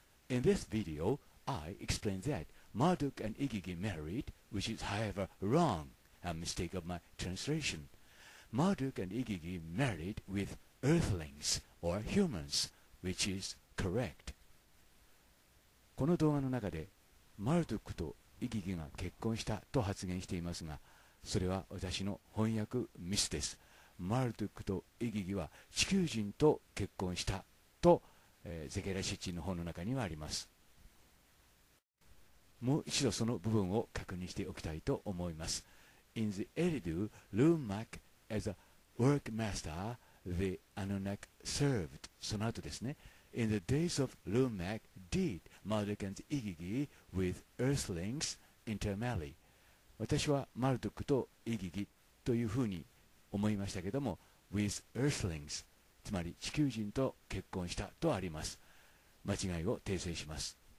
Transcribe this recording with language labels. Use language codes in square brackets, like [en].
[en] In this video, I explained that Marduk and Igigi married, which is however wrong, a mistake of my translation. Marduk and Igigi married with earthlings or humans, which is correct. [ja] この動画の中でマルドゥックとイギギが結婚したと発言していますが、それは私の翻訳ミスです。マルドゥックとイギギは地球人と結婚したと、ゼケラシッチの本の中にはあります。もう一度その部分を確認しておきたいと思います。 [en] In the Eridu, Lumak as a workmaster, the Anunnak served. [ja] その後ですね、 [en] In the days of Lumak did Marduk and Igigi with earthlings intermarry. [ja] 私はマルドゥックとイギギというふうに思いましたけども、 [en] with earthlings, [ja] つまり地球人と結婚したとあります。間違いを訂正します。